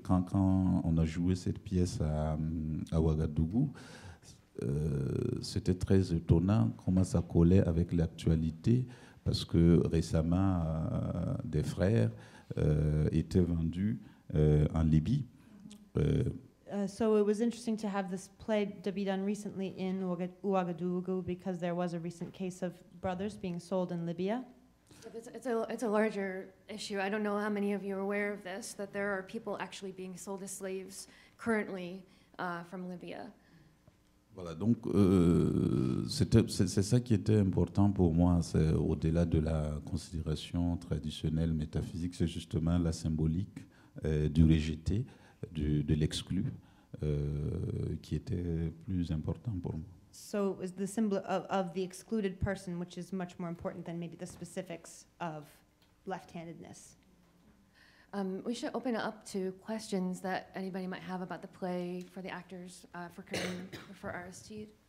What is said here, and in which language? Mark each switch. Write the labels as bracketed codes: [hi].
[fr] Quand on a joué cette pièce à Ouagadougou, c'était très étonnant comment ça collait avec l'actualité, parce que récemment, des frères étaient vendus en Libye. [en] So it was interesting to have this play to be done recently in Ouagadougou because there was a recent case of brothers being sold in Libya. It's a larger issue. I don't know how many of you are aware of this, that there are people actually being sold as slaves currently from Libya. [fr] Voilà, donc c'est ça qui était important pour moi, c'est au-delà de la considération traditionnelle métaphysique, c'est justement la symbolique du rejeté. De l'exclu qui était plus important pour moi. [en] So it was the symbol of the excluded person, which is much more important than maybe the specifics of left-handedness. We should open it up to questions that anybody might have about the play for the actors, for Kareem, for Aristide.